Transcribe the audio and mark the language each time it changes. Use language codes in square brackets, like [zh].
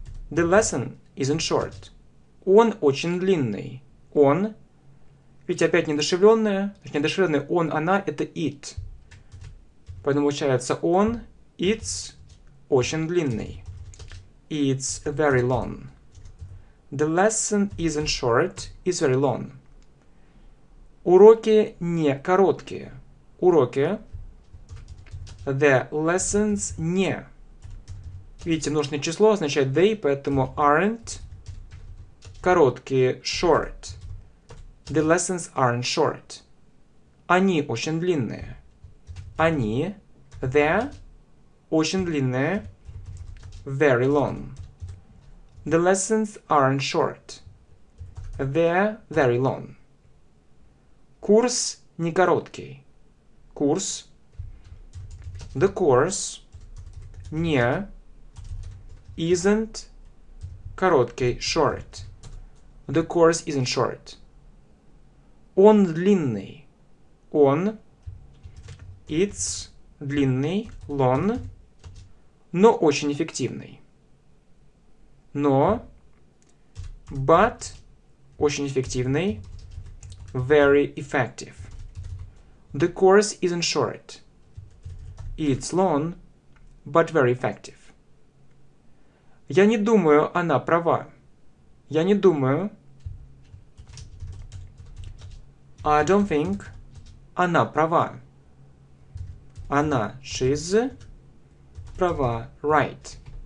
[en] The lesson isn't short. [ru] Он очень длинный. Он. Ведь опять неодушевленное. Значит, неодушевленное он, она, это it. Поэтому получается он, [en] it's [ru] очень длинный. [en] It's very long. The lesson isn't short, it's very long. [ru] Уроки не короткие. Уроки. [en] The lessons не. [ru] Видите, множественное число означает they, поэтому aren't короткие, short. [en] The lessons aren't short. [ru] Они очень длинные. Они, the, очень длинные, [en] very long. The lessons aren't short. They're very long. [ru] Курс не короткий. Курс. [en] The course не isn't короткий, short. The course isn't short. [ru] Он длинный. Он. [en] It's [ru] длинный, long, но очень эффективный. Но, but, очень эффективный, [en] very effective. The course isn't short. It's long, but very effective. [ru] Я не думаю, она права. Я не думаю. [en] I don't think [ru] она права. Она, [en] she's [ru] права, right.